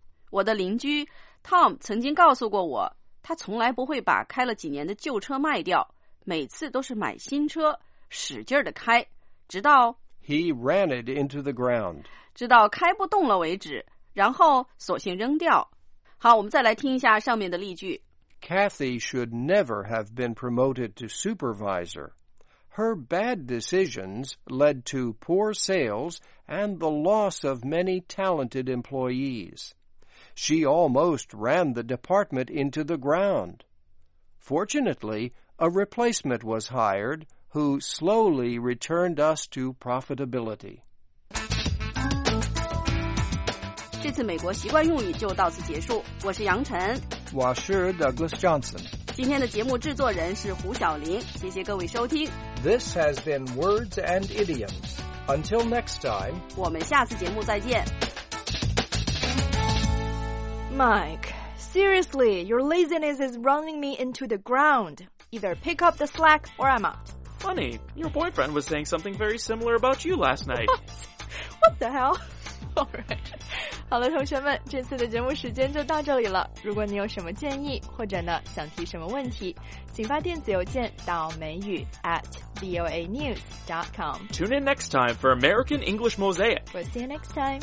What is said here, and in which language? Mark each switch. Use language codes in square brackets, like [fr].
[zh] 我的邻居 Tom 曾经告诉过我，他从来不会把开了几年的旧车卖掉，每次都是买新车，使劲儿的开，直到 [en] He ran it into the ground， [zh] 直到开不动了为止，然后索性扔掉。好，我们再来听一下上面的例句。 [en] Kathy should never have been promoted to supervisor. Her bad decisions led to poor sales and the loss of many talented employees. She almost ran the department into the ground. Fortunately, a replacement was hired who slowly returned us to profitability. [zh] 这次美国习惯用语就到此结束。我是杨晨，我是 Douglas Johnson。今天的节目制作人是胡晓林，谢谢各位收听。 [en] This has been Words and Idioms. Until next time, [zh] 我们下次节目再见。 [en] Mike, seriously, your laziness is running me into the ground. Either pick up the slack or I'm out. Funny, your boyfriend was saying something very similar about you last night. What the hell? Alright. [zh] 好了，同学们，这次的节目时间就到这里了。如果你有什么建议，或者呢，想提什么问题，请发电子邮件到美语@voanews.com. [en] Tune in next time for American English Mosaic. We'll see you next time.